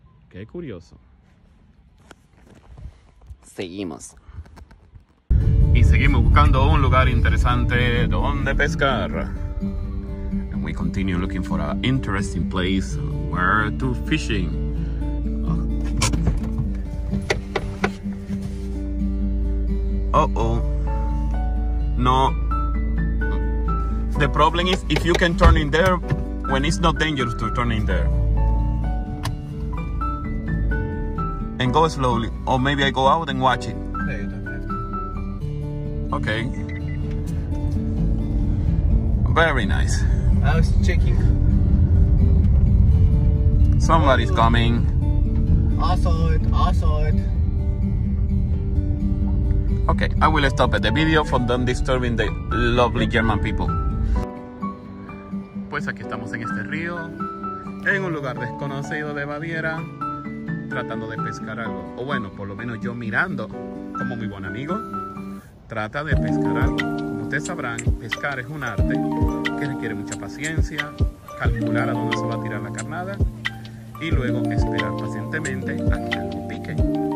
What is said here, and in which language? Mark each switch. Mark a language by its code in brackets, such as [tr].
[es] Qué curioso. Seguimos. Y seguimos buscando un lugar interesante donde pescar. [en] And we continue looking for an interesting place where to fishing. Oh. Uh-oh. No. The problem is if you can turn in there when it's not dangerous to turn in there. And go slowly. Or maybe I go out and watch it. Okay. Very nice. I was checking. Somebody's coming. I saw it. Okay, I will stop at the video for not disturbing the lovely German people. [es] Pues aquí estamos en este río, en un lugar desconocido de Baviera, tratando de pescar algo. O bueno, por lo menos yo mirando, como mi buen amigo, trata de pescar algo. Como ustedes sabrán, pescar es un arte que requiere mucha paciencia, calcular a dónde se va a tirar la carnada y luego esperar pacientemente a que algo pique.